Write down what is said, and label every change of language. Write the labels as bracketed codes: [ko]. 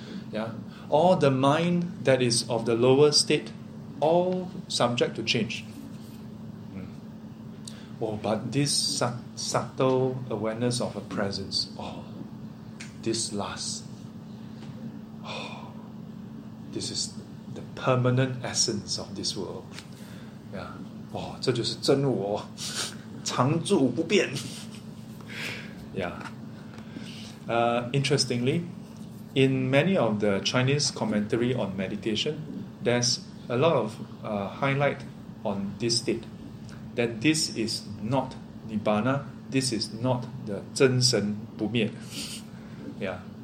[en] Yeah, all the mind that is of the lower state, all subject to change. Oh, but this subtle awareness of a presence, oh, this lasts. Oh, this is the permanent essence of this world. Yeah. [zh] Oh, 这就是真我，常住不变。 [en] Interestingly, in many of the Chinese commentary on meditation, there's a lot of highlight on this state. That this is not Nibbana, this is not the [zh] 真神不灭. [en] Yeah.